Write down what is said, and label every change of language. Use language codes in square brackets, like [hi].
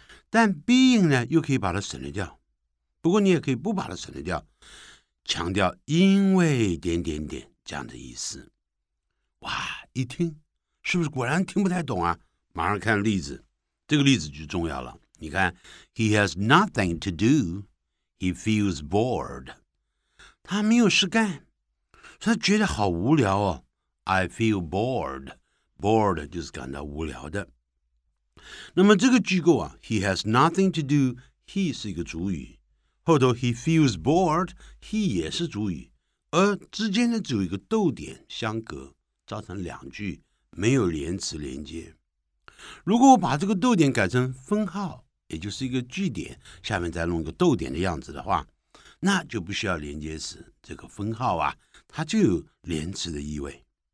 [zh] 但 being 呢，又可以把它省略掉，不过你也可以不把它省略掉，强调因为点点点这样的意思。哇，一听是不是果然听不太懂啊？马上看例子，这个例子就重要了。 [en] 你看，He has nothing to do, he feels bored. [zh] 他没有事干，他觉得好无聊哦。 [en] I feel bored. [zh] Bored 就是感到无聊的。那么这个句构啊 ， He has nothing to do. He 是一个主语，后头 He feels bored. He 也是主语，而之间呢只有一个逗点相隔，造成两句没有连词连接。如果我把这个逗点改成分号，也就是一个句点下面再弄个逗点的样子的话，那就不需要连接词，这个分号啊它就有连词的意味。